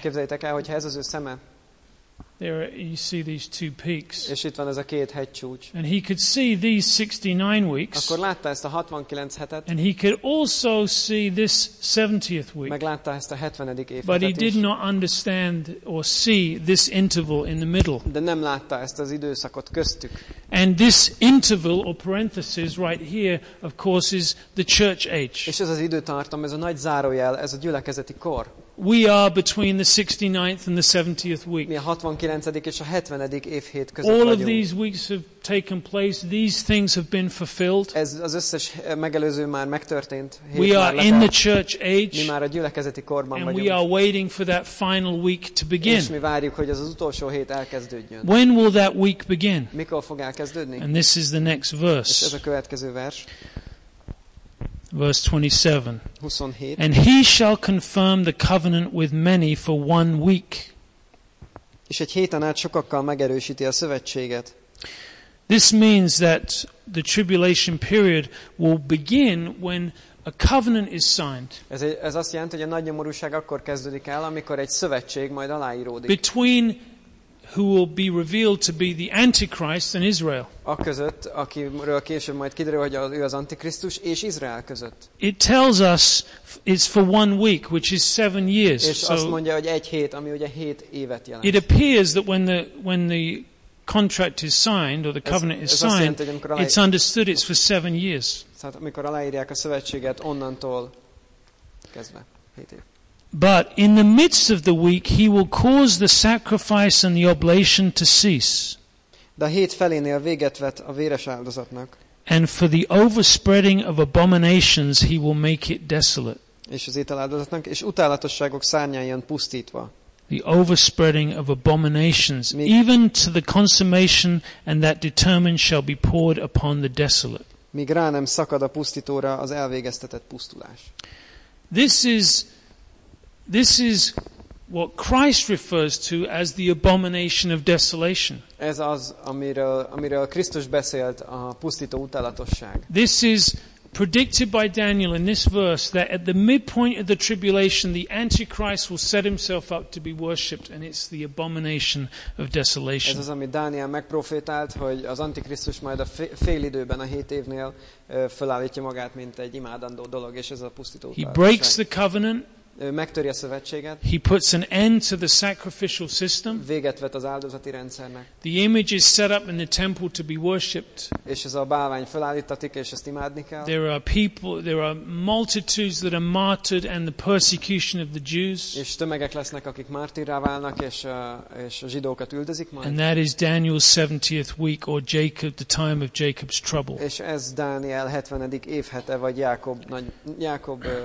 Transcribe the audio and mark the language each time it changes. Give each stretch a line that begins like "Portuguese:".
Hungarian: képzeljétek el, hogyha ez az ő szeme,
English: there you see these two peaks,
Hungarian: és itt van ez a két hegycsúcs,
English: and he could see these 69 weeks,
Hungarian: akkor látta ezt a 69 hetet,
English: and he could also see this 70th week,
Hungarian: meglátta ezt a 70. évhetet,
English: but he did not understand or see this interval in the middle,
Hungarian: de nem látta ezt az időszakot köztük.
English: And this interval or parenthesis right here of course is the church age.
Hungarian: És ez az időtartam, ez a nagy zárójel, ez a gyülekezeti kor.
English: We are between the 69th and the 70th week.
Hungarian: Mi a 69. és a 70. év hét között vagyunk.
English: All of these weeks have taken place, these things have been fulfilled.
Hungarian: Ez az összes megelőző már megtörtént.
English: We are in the church age.
Hungarian: Mi már a gyülekezeti korban vagyunk.
English: And we are waiting for that final week to begin.
Hungarian: És mi várjuk, hogy az utolsó hét elkezdődjön.
English: When will that week begin?
Hungarian: Mikor fog elkezdődni?
English: And this is the next verse.
Hungarian: És ez a következő vers.
English: Verse 27. And he shall confirm the covenant with many for 1 week.
Hungarian: És egy héten át sokakkal megerősíti a szövetséget.
English: This means that the tribulation period will begin when a covenant is signed.
Hungarian: Ez azt jelenti, hogy a nagy nyomorúság akkor kezdődik el, amikor egy szövetség majd aláíródik.
English: Between who will be revealed to be the Antichrist and Israel.
Hungarian: A között, akiről később majd kiderül, hogy ő az Antikrisztus és Izrael között.
English: It tells us it's for 1 week, which is 7 years.
Hungarian: És
English: so
Hungarian: azt mondja, hogy egy hét, ami ugye 7 évet jelent.
English: It appears that when the contract is signed or the covenant is signed, it's understood it's for 7 years.
Hungarian: Tehát amikor aláírják a szövetséget, onnantól kezdve 7 év.
English: But in the midst of the week he will cause the sacrifice and the oblation to cease.
Hungarian: De a hét felénél véget vet a véres áldozatnak.
English: And for the overspreading of abominations he will make it desolate.
Hungarian: És az ételáldozatnak és utálatosságok szárnyáján pusztítva.
English: The overspreading of abominations even to the consummation and that determined shall be poured upon the desolate.
Hungarian: Míg rá nem szakad a pusztítóra az elvégeztetett pusztulás.
English: This is what Christ refers to as the abomination of desolation.
Hungarian: Ez az, amiről Krisztus beszélt, a pusztító utálatosság.
English: This is predicted by Daniel in this verse that at the midpoint of the tribulation the Antichrist will set himself up to be worshipped, and it's the abomination of desolation.
Hungarian: Ez az, ami Dániel megprofétált, hogy az Antikrisztus majd a fél időben, a hét évnél fölállítja magát, mint egy imádandó dolog, és ez a pusztító.
English: He breaks the covenant.
Hungarian: Megtörje a szövetséget.
English: He puts an end to the sacrificial system.
Hungarian: Véget vet az áldozati rendszernek.
English: The image is set up in the temple to be worshipped.
Hungarian: És ez a bálvány felállítatik, és ezt imádni kell.
English: There are people, there are multitudes that are martyred, and the persecution of the Jews.
Hungarian: És tömegek lesznek, akik mártírrá válnak, és a zsidókat üldözik majd.
English: And that is Daniel's 70th week, or Jacob, the time of Jacob's trouble.
Hungarian: És ez Dániel 70. évhete, vagy Jákob nagy Jákob.